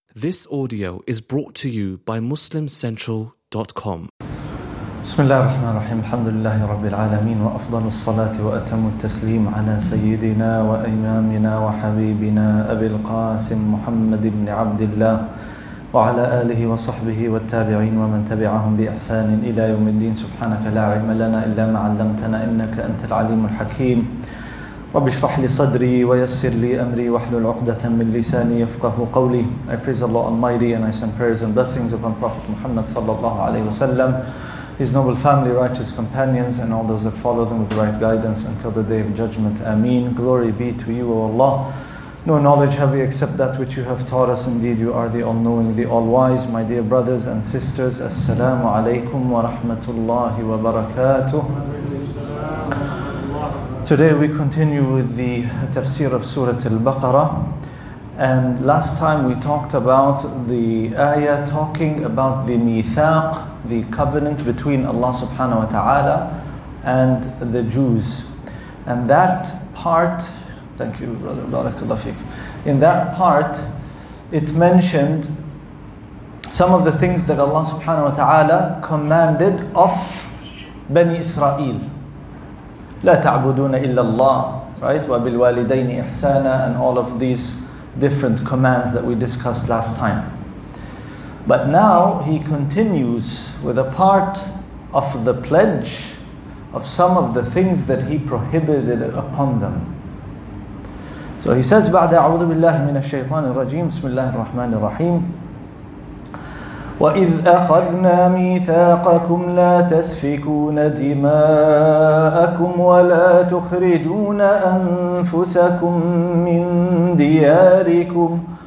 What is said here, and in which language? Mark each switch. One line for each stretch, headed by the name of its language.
English: This audio is brought to you by MuslimCentral.com.
Arabic: بسم الله الرحمن الرحيم الحمد لله رب العالمين وأفضل الصلاة وأتم التسليم على سيدنا وإمامنا وحبيبنا أبي القاسم محمد بن عبد الله وعلى آله وصحبه والتابعين ومن تبعهم بإحسان إلى يوم الدين سبحانك لا علم لنا إلا ما علمتنا إنك أنت العليم الحكيم رب اشرح لي صدري ويسر لي أمري واحلل عقدة من لساني يفقه قولي.
English: I praise Allah Almighty and I send prayers and blessings upon Prophet Muhammad
Arabic: صلى الله عليه وسلم,
English: his noble family, righteous companions, and all those that follow them with right guidance until the day of judgment. Ameen. Glory be to you, O Allah. No knowledge have we except that which you have taught us. Indeed, you are the all-knowing, the all-wise. My dear brothers and sisters, assalamu alaikum wa rahmatullahi wa barakatuh. Today we continue with the tafsir of Surah Al-Baqarah. And last time we talked about the ayah talking about the mithaq, the covenant between Allah subhanahu wa ta'ala and the Jews. And that part, thank you brother, barakallahu fik. In that part, it mentioned some of the things that Allah subhanahu wa ta'ala commanded of Bani Israel.
Arabic: لا تعبدون إلا الله, right? وبالوالدين إحسانا,
English: and all of these different commands that we discussed last time. But now he continues with a part of the pledge of some of the things that he prohibited upon them. So he says,
Arabic: بعد أعوذ بالله من الشيطان الرجيم بسم الله الرحمن الرحيم وَإِذْ أَخَذْنَا مِيثَاقَكُمْ لَا تَسْفِكُونَ دِمَاءَكُمْ وَلَا تُخْرِجُونَ أَنفُسَكُمْ مِنْ دِيَارِكُمْ